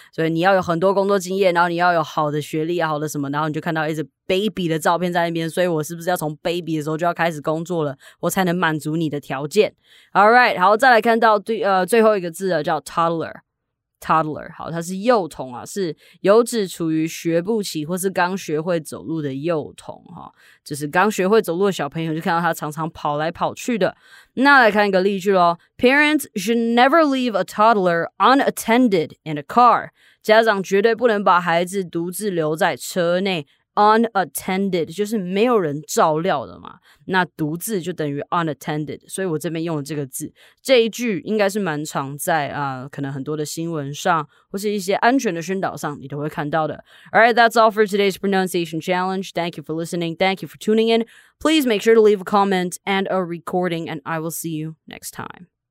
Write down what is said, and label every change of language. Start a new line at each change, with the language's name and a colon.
Chinese: 所以你要有很多工作经验，然后你要有好的学历啊，好的什么，然后你就看到一直 baby 的照片在那边，所以我是不是要从 baby 的时候就要开始工作了，我才能满足你的条件。
English: Alright，
Chinese: 好，再来看到最后一个字了，叫 toddler。 Toddler， 好，它是幼童啊，是有指处于学步期或是刚学会走路的幼童哈，就是刚学会走路的小朋友，就看到他常常跑来跑去的。那来看一个例句咯，
English: Parents should never leave a toddler unattended in a car.
Chinese: 家长绝对不能把孩子独自留在车内。 Unattended 就是没有人照料的嘛，那独自就等于 unattended， 所以我这边用了这个字。这一句应该是蛮常在可能很多的新闻上或是一些安全的宣导上你都会看到的。
English: Alright, that's all for today's pronunciation challenge. Thank you for listening. Thank you for tuning in. Please make sure to leave a comment and a recording, and I will see you next time.